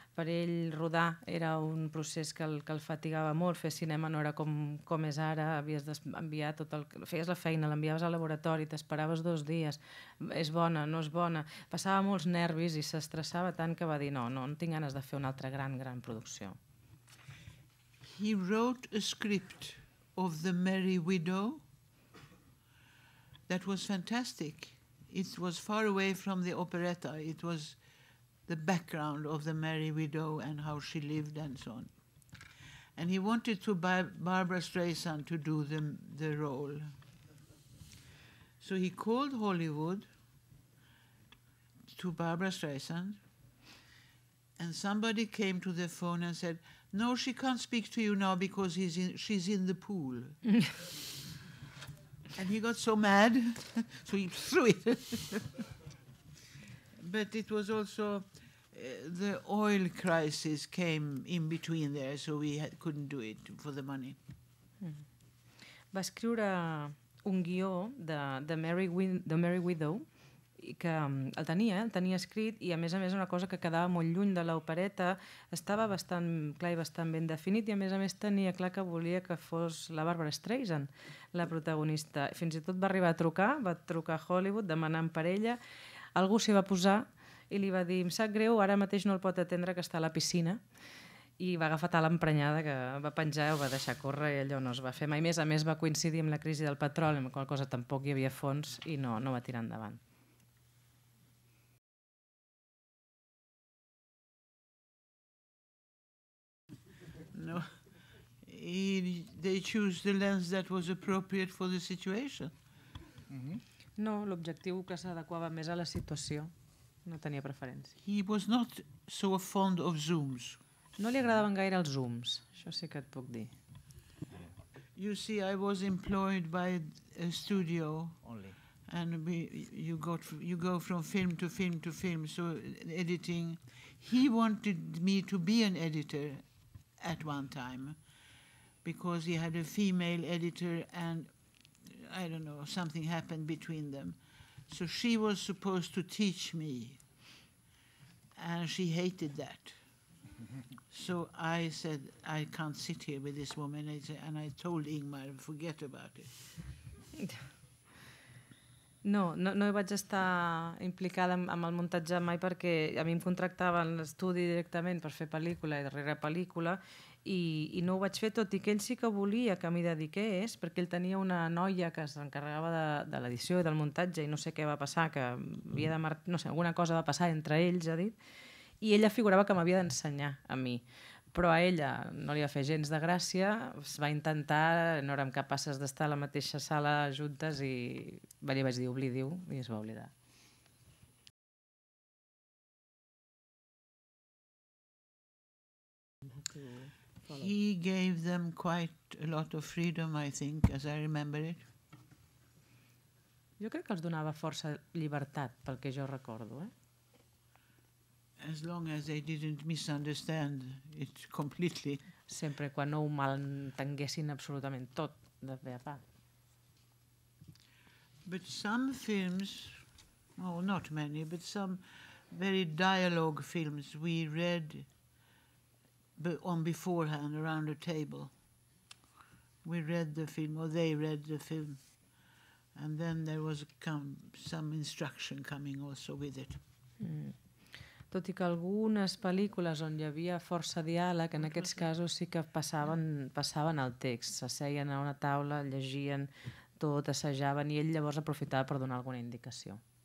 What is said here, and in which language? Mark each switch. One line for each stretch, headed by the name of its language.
Catalan: Per ell rodar era un procés que el fatigava molt. Fer cinema no era com és ara, havies d'enviar tot el... Feies la feina, l'enviaves al laboratori, t'esperaves 2 dies, és bona, no és bona. Passava molts nervis i s'estressava tant que va dir no tinc ganes de fer una altra gran producció.
English: He wrote a script of The Merry Widow that was fantastic. It was far away from the operetta, it was the background of The Merry Widow and how she lived and so on. And he wanted to buy Barbara Streisand to do the role. So he called Hollywood to Barbara Streisand, and somebody came to the phone and said, no, she can't speak to you now because she's in the pool. And he got so mad, so he threw it. But it was also... the oil crisis came in between there, so we couldn't do it for the money. Mm-hmm.
Catalan: Va escriure un guió de Merry Widow, i que el tenia escrit, i a més una cosa que quedava molt lluny de l'opereta, estava bastant clar i bastant ben definit, i a més tenia clar que volia que fos la Barbara Streisand la protagonista. Fins i tot va arribar a trucar, a Hollywood demanant per ella, algú s'hi va posar, i li va dir, em sap greu, ara mateix no el pot atendre, que està a la piscina. I va agafar tal emprenyada que va penjar, ho va deixar córrer i allò no es va fer mai més. A més, va coincidir amb la crisi del petroli, amb qual cosa tampoc hi havia fons i no va tirar endavant. No.
English: They chose the lens that was appropriate for the situation. Mm-hmm.
Catalan: No, l'objectiu que s'adequava més a la situació. No tenia preferència.
English: He was not so fond of zooms.
Catalan: No li agradaven gaire els zooms, això sí que et puc dir.
English: You see, I was employed by a studio only. And you go from film to film to film, so editing. He wanted me to be an editor at one time because he had a female editor and I don't know, something happened between them. So she was supposed to teach me, and she hated that. So I said, I can't sit here with this woman. And I told Ingmar, forget about it.
Catalan: No, no, no vaig estar implicada amb el muntatge mai, perquè a mi em contractaven l'estudi directament per fer pel·lícula i darrere pel·lícula, i no ho vaig fer, tot i que ell sí que volia que m'hi dediqués, perquè ell tenia una noia que s'encarregava de l'edició i del muntatge, i no sé què va passar, que havia de no sé, alguna cosa va passar entre ells, ha dit, i ella figurava que m'havia d'ensenyar a mi. Però a ella no li va fer gens de gràcia, es va intentar, no érem capaces d'estar a la mateixa sala juntes, i li vaig dir oblidi-ho, i es va oblidar.
English: He gave them quite a lot of freedom, I think, as I remember it.
Catalan: Jo crec que els donava força llibertat, pel que jo recordo, eh?
English: As long as they didn't misunderstand it completely.
Catalan: Sempre quan no ho malentenguessin absolutament tot, de bé a part.
English: But some films, oh, not many, but some very dialogue films we read on beforehand around a table. We read the film, or they read the film, and then there was some instruction coming also with it. Mm.
Catalan: Tot i que algunes pel·lícules on hi havia força diàleg, en aquests casos sí que passaven el text. S'asseien a una taula, llegien tot, assajaven, i ell llavors aprofitava per donar alguna indicació.